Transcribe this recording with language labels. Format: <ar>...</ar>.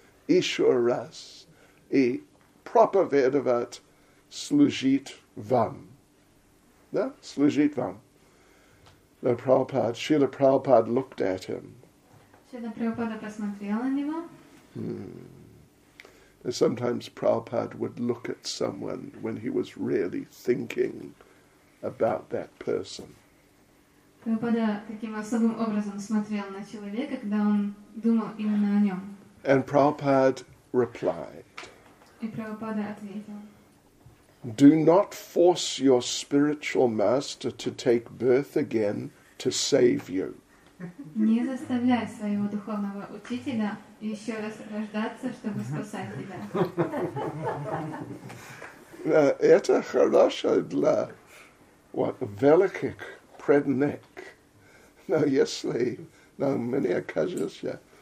<ru>Ещё раз и проповедовать служить вам. Но</ru> <en>Прабхупада, Шрила Прабхупада looked at him.</en> <ru>Шрила Прабхупада посмотрела на него.</ru> <en>And sometimes Prabhupada would look at someone when he was really thinking about that person.</en> <ru>Прабхупада таким особым образом смотрел на человека, когда он думал именно о нем.</ru> <en>And Prabhupada replied,</en> <ru>и Прабхупада ответил,</ru> <en>do not force your spiritual master to take birth again to save you.</en> <ru>Не заставляй своего духовного учителя еще раз рождаться, чтобы спасать тебя. Это хорошо для великих преданных. Но мне кажется,</ru>